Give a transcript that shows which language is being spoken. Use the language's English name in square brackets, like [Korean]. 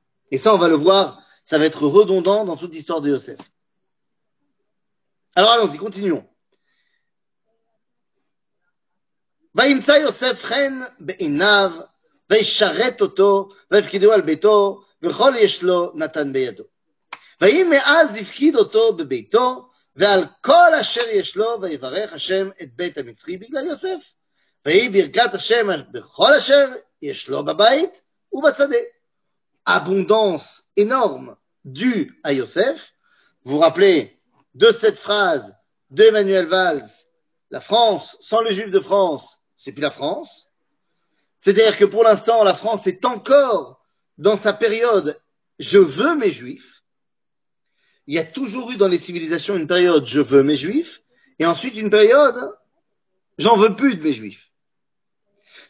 [French] Et ça, on va le voir, ça va être redondant dans toute l'histoire de Yosef. Alors, allons-y, continuons. [Hebrew] Vaimsa Yosef ren be'inav, veisharet oto, veifkidu al beto, וכול יש לו נתן בידו. ואם מאז יפקיד אותו בביתו, ועל כל אשר יש לו, ויברך השם את בית המצרי בגלל יוסף, והיא ברכת השם בכל אשר יש לו בבית ובשדה. [French] Abondance énorme due à Yosef. Vous rappelez de cette phrase d'Emmanuel Valls, la France, sans les Juifs de France, c'est plus la France. C'est-à-dire que pour l'instant, la France est encore dans sa période « Je veux mes Juifs », il y a toujours eu dans les civilisations une période « Je veux mes Juifs » et ensuite une période « J'en veux plus de mes Juifs ».